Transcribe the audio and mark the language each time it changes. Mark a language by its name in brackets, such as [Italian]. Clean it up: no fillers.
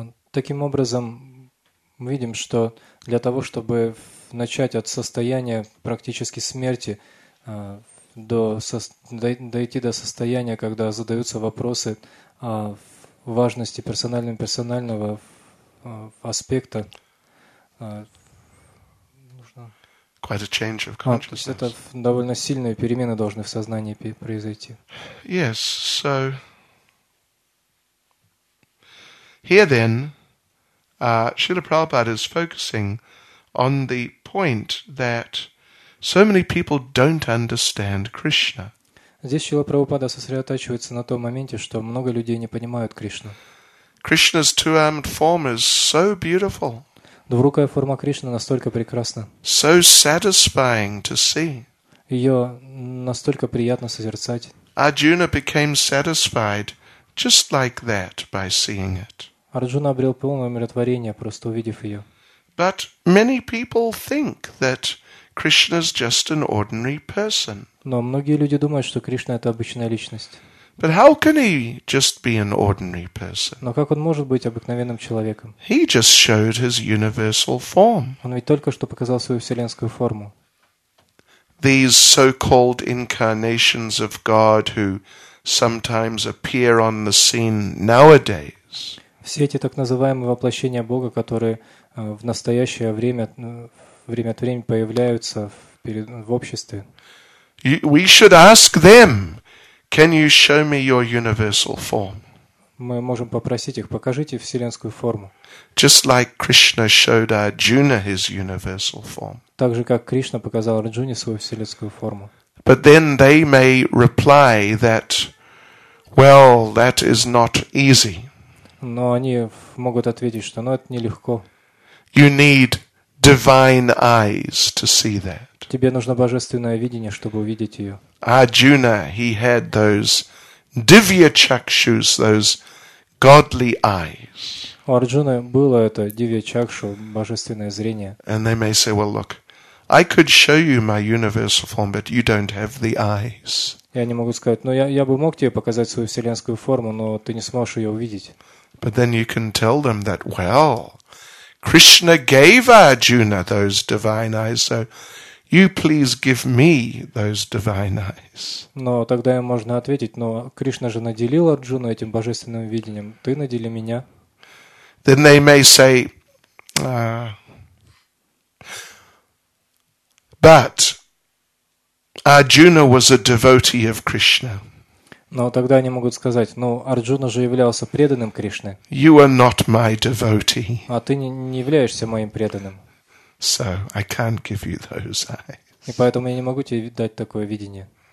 [Russian] Таким образом, мы видим, что для того, чтобы начать от состояния практически смерти, дойти до состояния, когда задаются вопросы о важности персонального аспекта. [English] Quite a change of consciousness. [Russian] Это довольно сильные перемены должны в сознании произойти. [English] Yes, so here then, Srila Prabhupada is focusing on the point that so many people don't understand Krishna. [Russian] Здесь Шрила Прабхупада сосредотачивается на том моменте, что много людей не понимают Кришну. [English] Krishna's two-armed form is so beautiful. [Russian] Двурукая форма Кришны настолько прекрасна. [English] So satisfying to see. [Russian] Ее настолько приятно созерцать. [English] Arjuna became satisfied just like that by seeing it. [Russian] Арджуна обрел полное умиротворение, просто увидев ее. [English] But many people think that Krishna is just an ordinary person. [Russian] Но многие люди думают, что Кришна это обычная личность. [English] But how can he just be an ordinary person? [Russian] Но как он может быть обыкновенным человеком? [English] He just showed his universal form. [Russian] Он ведь только что показал свою вселенскую форму. [English] These so-called incarnations of God who sometimes appear on the scene nowadays. [Russian] Все эти так называемые воплощения Бога, которые в настоящее время время от времени появляются в обществе. [English] We should ask them, can you show me your universal form? [Russian] Мы можем попросить их, покажите вселенскую форму. [English] Just like Krishna showed Arjuna his universal form. [Russian] Так же, как Кришна показал Арджуне свою вселенскую форму. [English] But then they may reply that, well, that is not easy. [Russian] Но они могут ответить, что ну, это нелегко. [English] You need divine eyes to see that. [Russian] Тебе нужно божественное видение, чтобы увидеть ее. [English] Arjuna, he had those Divya Chakshus, those godly eyes. [Russian] У Арджуны было это Дивья Чакшу, божественное зрение. [English] And they may say, well, look, I could show you my universal form, but you don't have the eyes. [Russian] Я не могу сказать, но я бы мог тебе показать свою вселенскую форму, но ты не сможешь ее увидеть. [English] But then you can tell them that, well, Krishna gave Arjuna those divine eyes, so you please give me those divine eyes. [Russian] Но тогда им можно ответить, но Кришна же наделил Арджуну этим божественным видением, ты надели меня. [English] Then they may say, but Arjuna was a devotee of Krishna. [Russian] Но тогда они могут сказать, ну, Арджуна же являлся преданным Кришне. [English] You are not my devotee. [Russian] А ты не являешься моим преданным. [English] So I can't give you those eyes. [Russian] И поэтому я не могу тебе дать такое видение.